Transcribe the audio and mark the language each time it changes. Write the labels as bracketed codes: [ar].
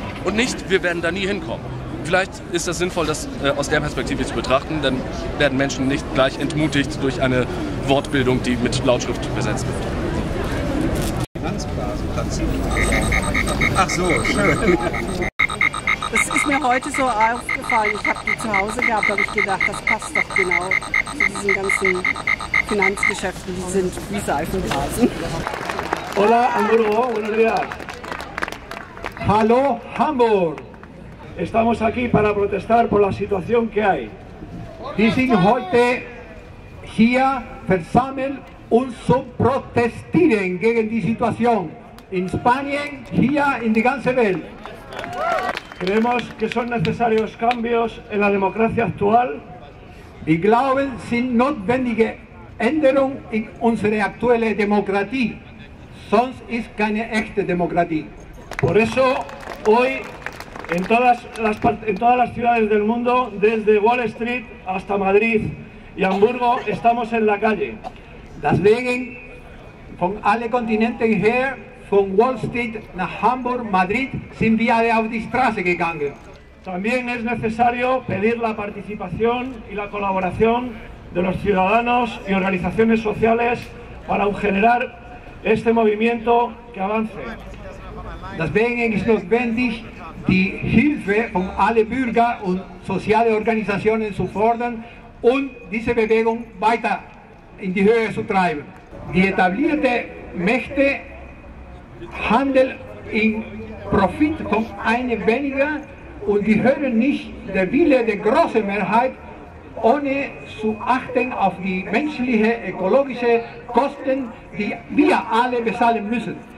[de] Und nicht, wir werden da nie hinkommen. Vielleicht ist das sinnvoll, das aus der Perspektive zu betrachten, dann werden Menschen nicht gleich entmutigt durch eine Wortbildung, die mit Lautschrift besetzt wird. Ach so, schön. Das ist mir heute so aufgefallen. Ich habe die zu Hause gehabt, da habe ich gedacht, das passt doch genau zu diesen ganzen Finanzgeschäften, die sind wie Seifenblasen. [es] Hola, Andrew, buenos días. [de] Hallo, Hamburg. [es] Estamos aquí para protestar por la situación que hay. [de] Wir sind heute hier versammelt, um zu protestieren gegen die Situation. In Spanien, hier, in die ganze Welt. [es] Creemos que son necesarios cambios en la democracia actual. [de] Y glauben, sind notwendige Änderungen in unsere aktuelle Demokratie. Sonst ist keine echte Demokratie. [es] Por eso, hoy, en todas las ciudades del mundo, desde Wall Street hasta Madrid y Hamburgo, estamos en la calle. [de] Deswegen, von alle Kontinenten her, von Wall Street nach Hamburg, Madrid, sind wir auf die Straße gegangen. [es] También es necesario pedir la participación y la colaboración de los ciudadanos y organizaciones sociales para generar este movimiento que avance. [de] Deswegen ist notwendig, die Hilfe von allen Bürgern und sozialen Organisationen zu fordern und diese Bewegung weiter in die Höhe zu treiben. Die etablierten Mächte handeln im Profit von einem weniger und die hören nicht der Wille der großen Mehrheit, ohne zu achten auf die menschlichen, ökologischen Kosten, die wir alle bezahlen müssen.